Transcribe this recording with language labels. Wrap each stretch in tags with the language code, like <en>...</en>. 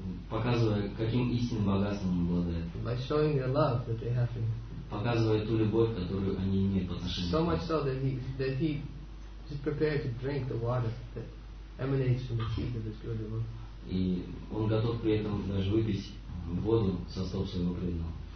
<ru>Показывая, каким истинным богатством он обладает.</ru> <en>By showing their love that they have.</en> <ru>Показывая ту любовь, которую они имеют по отношению.</ru> <en>So much so that he is prepared to drink the water that emanates from the feet of his pure devotee.</en> <ru>И он готов при этом даже выпить воду со стоп своего преданного.</ru>